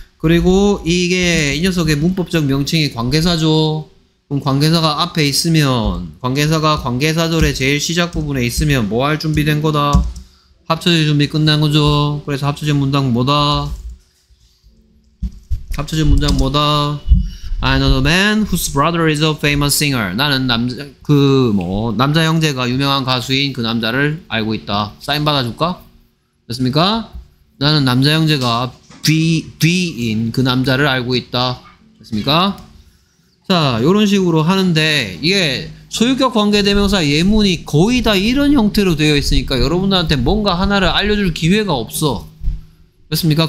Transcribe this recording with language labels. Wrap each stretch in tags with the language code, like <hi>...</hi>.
<ko>그리고 이게 이 녀석의 문법적 명칭이 관계사죠? 그럼 관계사가 앞에 있으면, 관계사가 관계사절의 제일 시작 부분에 있으면 뭐 할 준비된 거다? 합쳐질 준비 끝난 거죠. 그래서 합쳐진 문장 뭐다? 합쳐진 문장 뭐다?</ko> <en>I know the man whose brother is a famous singer.</en> <ko>나는 남자 형제가 유명한 가수인 그 남자를 알고 있다. 사인 받아줄까? 됐습니까? 나는 남자 형제가 B인 그 남자를 알고 있다. 됐습니까? 자, 요런 식으로 하는데, 이게, 소유격 관계대명사 예문이 거의 다 이런 형태로 되어 있으니까 여러분들한테 뭔가 하나를 알려줄 기회가 없어. 됐습니까?</ko>